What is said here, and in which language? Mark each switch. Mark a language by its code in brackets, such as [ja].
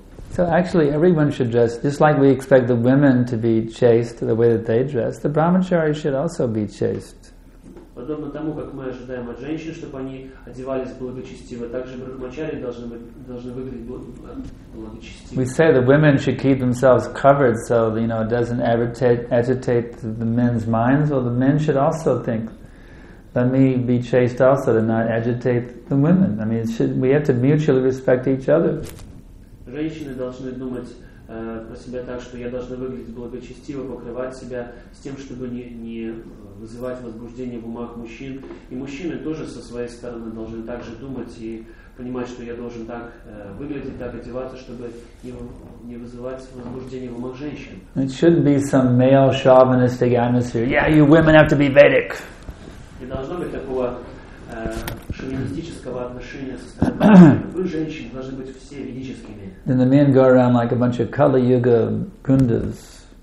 [en] So actually, everyone should dress just like we expect the women to be chaste the way that they dress. The brahmachari should also be chaste. [ru] Подобно тому, как мы ожидаем от женщин, чтобы они одевались благочестиво, также брахмачари должны выглядеть благочестиво. [en] We say that women should keep themselves covered so, you know, it doesn't agitate the men's minds. Well, the men should also think, let me be chaste also to not agitate the women. I mean, we have to mutually respect each other. [ru] Женщины должны думать про себя так, что я должна выглядеть благочестиво, покрывать себя с тем, чтобы не вызывать возбуждение в умах мужчин. И мужчины тоже со своей стороны должны так же думать и понимать, что я должен так выглядеть, так одеваться, чтобы не вызывать возбуждение в умах женщин. [en] It shouldn't be some male chauvinistic atmosphere. Yeah, you women have to be Vedic. [ru] Не должно быть такого шовинистического отношения со стороны мужчин. Вы, женщины, должны быть все ведическими. [en] Then the men go around like a bunch of Kali Yuga gundas.